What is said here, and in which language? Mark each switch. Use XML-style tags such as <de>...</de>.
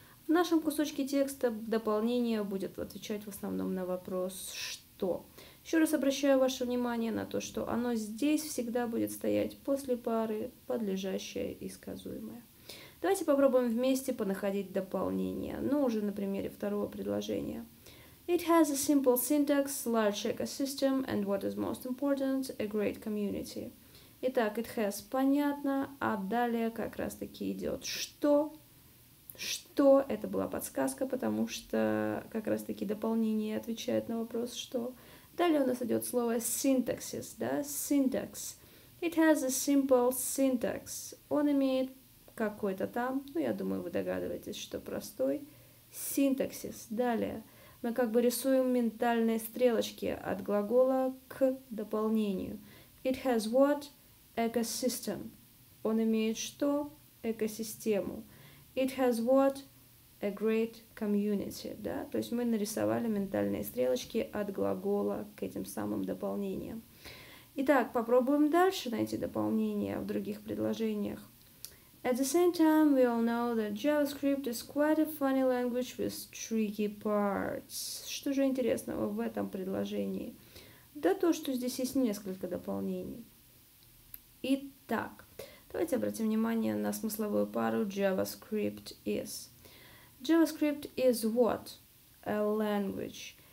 <ru>В нашем кусочке текста дополнение будет отвечать в основном на вопрос «что?». Еще раз обращаю ваше внимание на то, что оно здесь всегда будет стоять после пары «подлежащее» и «сказуемое». Давайте попробуем вместе понаходить дополнение, ну, уже на примере второго предложения.</ru> <en>It has a simple syntax, large ecosystem, and what is most important, a great community.</en> <ru>Итак,</ru> <en>it has</en> <ru>понятно, а далее как раз-таки идет что? Что? Это была подсказка, потому что как раз-таки дополнение отвечает на вопрос что. Далее у нас идет слово syntaxis, да, syntax.</ru> <en>It has a simple syntax.</en> <ru>Он имеет какой-то там, ну, я думаю, вы догадываетесь, что простой, синтаксис. Далее, Мы как бы рисуем ментальные стрелочки от глагола к дополнению.</ru> <en>It has what? Ecosystem.</en> <ru>Он имеет что? Экосистему.</ru> <en>It has what? A great community.</en> <ru>Да? То есть мы нарисовали ментальные стрелочки от глагола к этим самым дополнениям. Итак, попробуем дальше найти дополнения в других предложениях.</ru> <en>At the same time, we all know that JavaScript is quite a funny language with tricky parts.</en> <ru>Что же интересного в этом предложении? Да то, что здесь есть несколько дополнений. Итак, давайте обратим внимание на смысловую пару</ru> <en>JavaScript is. JavaScript is what? A language.</en>